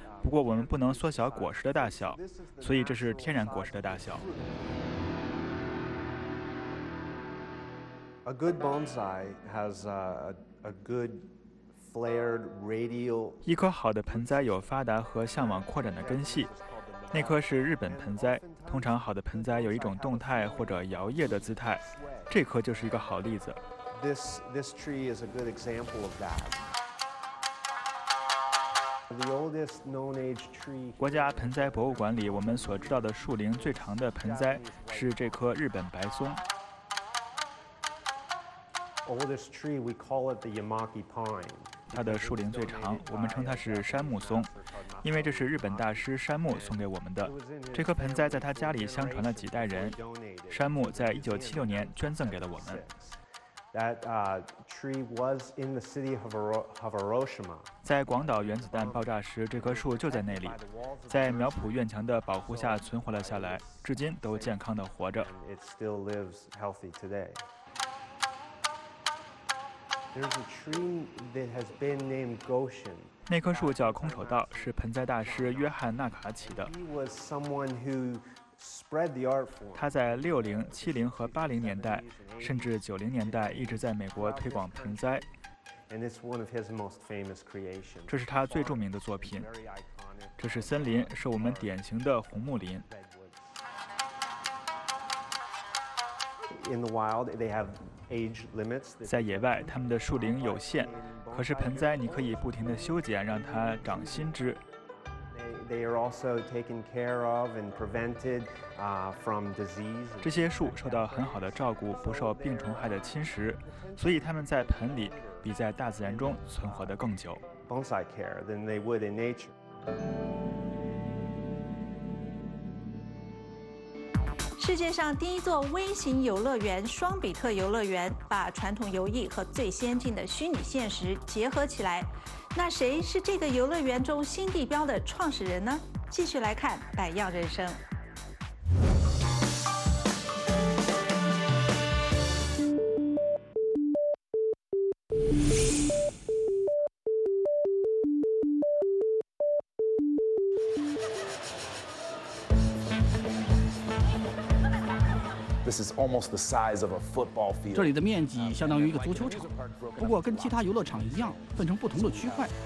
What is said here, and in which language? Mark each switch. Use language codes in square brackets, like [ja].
[zh] 不过我们不能缩小果实的大小，所以这是天然果实的大小。 [en] A good bonsai has a good flared radial. [zh] 一棵好的盆栽有发达和向往扩展的根系。那棵是日本盆栽，通常好的盆栽有一种动态或者摇曳的姿态，这棵就是一个好例子。 [en] This tree is a good example of that. [zh] 国家盆栽博物馆里，我们所知道的树龄最长的盆栽是这棵日本白松。 [en] Oldest tree, we call it the Yamaki pine. [zh] 它的树龄最长，我们称它是杉木松，因为这是日本大师杉木送给我们的。这棵盆栽在他家里相传了几代人，杉木在1976年捐赠给了我们。 [en] That tree was in the city of Hiroshima. [zh] 在广岛原子弹爆炸时，这棵树就在那里，在苗圃院墙的保护下存活了下来，至今都健康地活着。 [en] It still lives healthy today. There's a tree that has been named Goshen. [zh] 那棵树叫空手道，是盆栽大师约翰·纳卡奇的。 [en] He was someone who spread the art form. [zh] 他在60、70和80年代，甚至90年代一直在美国推广盆栽。 [en] And it's one of his most famous creations. [zh] 这是他最著名的作品。这是森林，是我们典型的红木林。 [en] In the wild, they have age limits. [zh] 在野外，他们的树龄有限。可是盆栽，你可以不停地修剪，让它长新枝。 [en] They are also taken care of and prevented from disease. [zh] 这些树受到很好的照顾，不受病虫害的侵蚀，所以它们在盆里比在大自然中存活得更久。 [en] Bonsai care than they would in nature. [zh] 世界上第一座微型游乐园——双比特游乐园，把传统游艺和最先进的虚拟现实结合起来。那谁是这个游乐园中新地标的创始人呢？继续来看《百样人生》。 [en] This is almost the size of a football field. [zh] 这里的面积相当于一个足球场，不过跟其他游乐场一样，分成不同的区块。